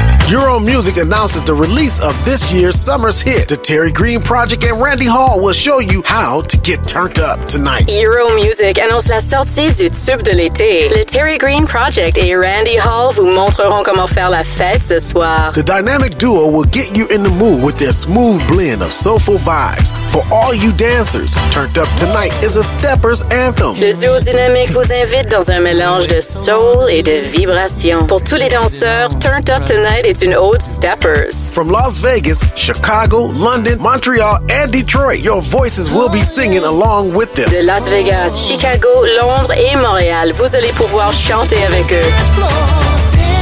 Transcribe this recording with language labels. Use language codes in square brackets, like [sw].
[en] Euro Music announces the release of this year's summer's hit. The Terry Green Project and Randy Hall will show you how to get turned up tonight. [fr] Euro Music annonce la sortie du tube de l'été. Le Terry Green Project et Randy Hall vous montreront comment faire la fête ce soir. [en] The dynamic duo will get you in the mood with their smooth blend of soulful vibes. For all you dancers, Turned Up Tonight is a stepper's anthem. [fr] Le duo dynamique vous invite dans un mélange de soul et de vibration. Pour tous les danseurs, Turned Up Tonight [en] is an old steppers. From Las Vegas, Chicago, London, Montreal, and Detroit, your voices will be singing along with them. [fr] De Las Vegas, Chicago, Londres, et Montréal, vous allez pouvoir chanter avec eux.